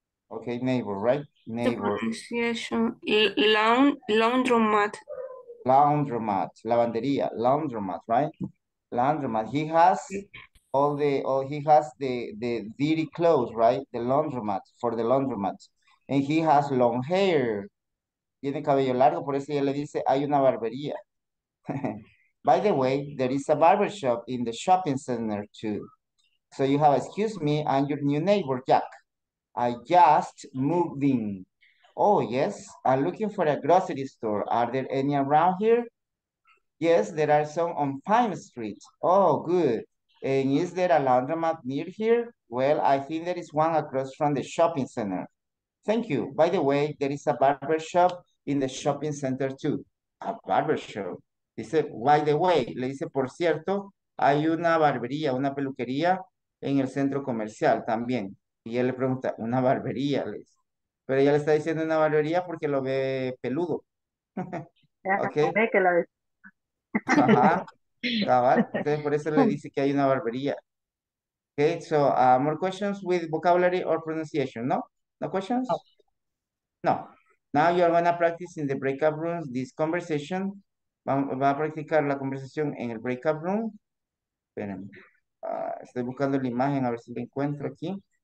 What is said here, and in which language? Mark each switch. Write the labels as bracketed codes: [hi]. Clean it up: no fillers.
[en] Okay, neighbor, right? Neighbor. The pronunciation. Laundromat. Laundromat. Lavandería. Laundromat, right? Laundromat. He has all the he has the dirty clothes, right? The laundromat, for the laundromat. And he has long hair. [es] Tiene cabello largo, por eso ya le dice, hay una barbería. [en] By the way, there is a barbershop in the shopping center too. So you have, excuse me, I'm your new neighbor, Jack. I just moved in. Oh, yes, I'm looking for a grocery store. Are there any around here? Yes, there are some on Pine Street. Oh, good. And is there a laundromat near here? Well, I think there is one across from the shopping center. Thank you. By the way, there is a barber shop in the shopping center too. A barber shop. [es] Dice, [en] by the way, [es] le dice, por cierto, hay una barbería, una peluquería en el centro comercial también. Y él le pregunta, una barbería, le dice. Pero ella le está diciendo una barbería porque lo ve peludo. [en] Okay. [es] Entonces por eso le dice que hay una barbería. [en] Okay, so more questions with vocabulary or pronunciation, no? No questions? No. Now you are going to practice in the breakout rooms this conversation. [es] Va a practicar la conversación en el breakout room. Espérenme. Estoy buscando la imagen a ver si la encuentro aquí.